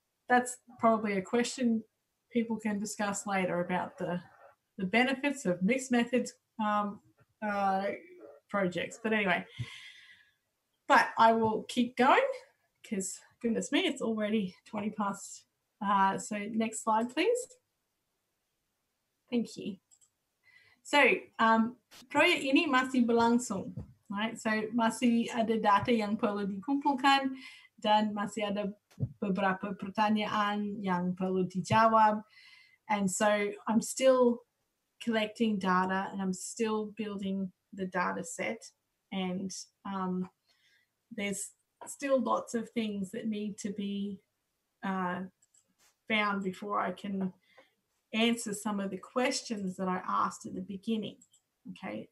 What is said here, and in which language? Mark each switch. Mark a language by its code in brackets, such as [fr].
[en] That's probably a question people can discuss later about the benefits of mixed methods projects. But anyway, but I will keep going because, goodness me, it's already 20 past. So next slide, please. Thank you. [id] So, proyek ini masih berlangsung, [en] right? [id] So, masih ada data yang perlu dikumpulkan dan masih ada beberapa pertanyaan yang perlu dijawab. [en] And so, I'm still collecting data and I'm still building the data set. And there's still lots of things that need to be found before I can answer some of the questions that I asked at the beginning, okay?